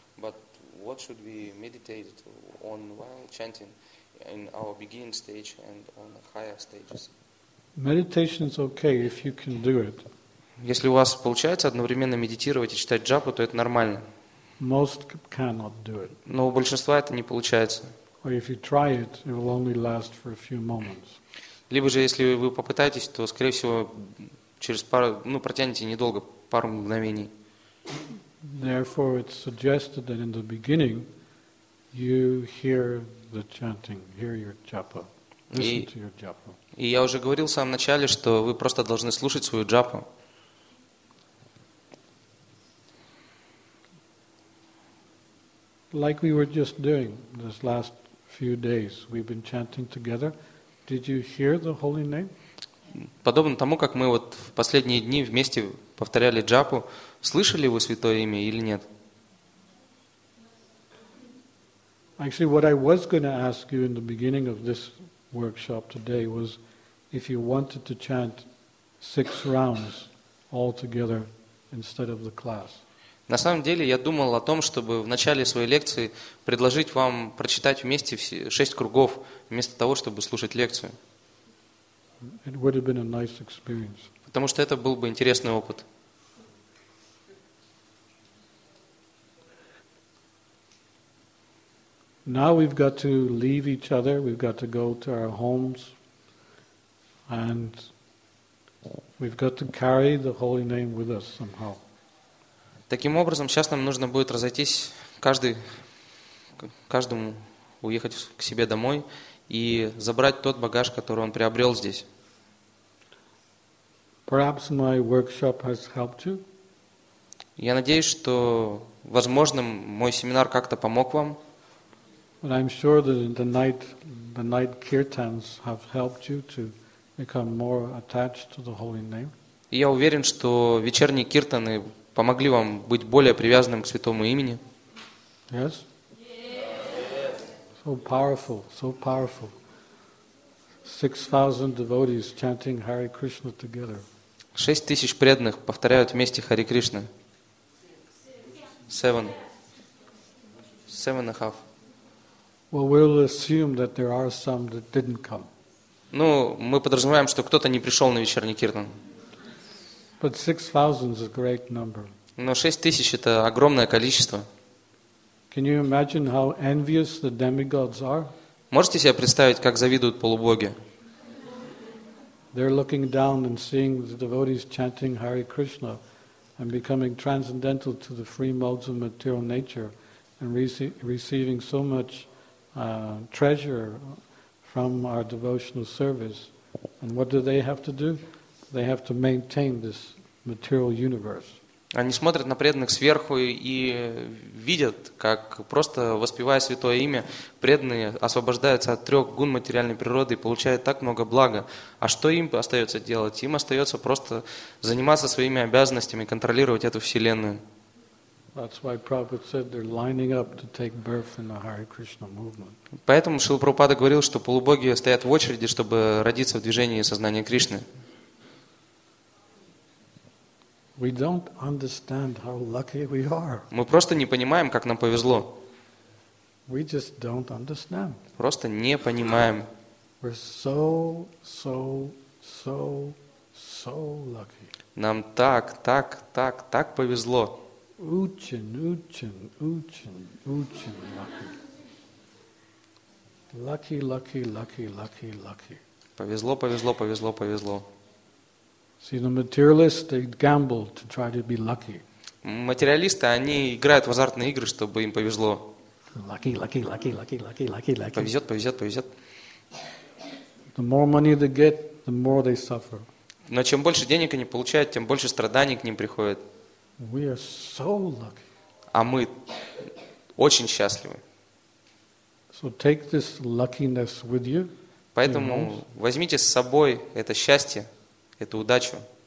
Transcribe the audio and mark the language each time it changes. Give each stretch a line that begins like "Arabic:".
English: But what should we meditate on while chanting in our beginning stage and on the higher stages? Meditation is okay if you can do it.
Russian: Если у вас получается одновременно медитировать и читать джапу, то это нормально.
English: Most cannot do it.
Russian: Но у большинства это не получается. Либо же, если вы попытаетесь, то, скорее всего, через пару, ну, протянете недолго, пару мгновений.
English: Therefore, it's suggested that in the beginning you hear the chanting, hear your japa, listen to your japa.
Russian: И я уже говорил в самом начале, что вы просто должны слушать свою джапу.
English: Like we were just doing this last few days, we've been chanting together. Did you hear the holy name?
Russian: Подобно тому, как мы вот в последние дни вместе повторяли джапу, слышали вы святое имя или нет?
English: Actually, what I was going to ask you in the beginning of this workshop today was if you wanted to chant six rounds all together instead of the class.
Russian: На самом деле, я думал о том, чтобы в начале своей лекции предложить вам прочитать вместе шесть кругов, вместо того, чтобы слушать лекцию.
English: It would have been a nice experience.
Russian: Потому что это был бы интересный опыт.
English: Now we've got to leave each other, we've got to go to our homes, and we've got to carry the holy name with us somehow.
Russian: Таким образом, сейчас нам нужно будет разойтись, каждому уехать к себе домой и забрать тот багаж, который он приобрел здесь.
English: My workshop has helped you.
Russian: Я надеюсь, что, возможно, мой семинар как-то помог вам.
English: I'm sure that the night kirtans have helped you to become more attached to the holy name.
Russian: И я уверен, что вечерние киртаны помогли вам быть более привязанным к святому имени?
English: Yes. So powerful, so powerful. 6,000 devotees chanting Hare Krishna together.
Russian: 6,000 преданных повторяют вместе Хари Кришна.
English: Seven and a half. Well, we'll assume that there are some that didn't come.
Russian: Ну, мы подразумеваем, что кто-то не пришел на вечерний киртан.
English: But 6,000 is a great number.
Russian: Но 6,000 это огромное количество.
English: Can you imagine how envious the demigods are?
Russian: Можете себе представить, как завидуют полубоги?
English: They're looking down and seeing the devotees chanting Hare Krishna and becoming transcendental to the free modes of material nature and receiving so much treasure from our devotional service. And what do they have to do? They have to maintain this material universe.
Russian: Они смотрят на преданных сверху и видят, как просто воспевая святое имя, преданные освобождаются от трех гун материальной природы и получают так много блага. А что им остается делать? Им остается просто заниматься своими обязанностями, контролировать эту вселенную.
English: That's why Prabhupada said they're lining up to take birth in the Hare Krishna movement.
Russian: Поэтому Шрила Прабхупада говорил, что полубоги стоят в очереди, чтобы родиться в движении сознания Кришны.
English: We don't understand how lucky we are.
Russian: Мы просто не понимаем, как нам повезло.
English: We just don't understand.
Russian: Просто не понимаем.
English: We're so, so, so, so lucky.
Russian: Нам так повезло. Очень lucky.
English: Lucky, lucky, lucky, lucky, lucky.
Russian: Повезло.
English: See, the materialists, they gamble to try to be lucky.
Russian: Материалисты, они играют в азартные игры, чтобы им повезло.
English: Lucky.
Russian: Повезет.
English: The more money they get, the more they suffer.
Russian: Но чем больше денег они получают, тем больше страданий к ним приходит.
English: We are so lucky.
Russian: А мы очень счастливы.
English: So take this luckiness with you.
Russian: Поэтому возьмите с собой это счастье, эту удачу.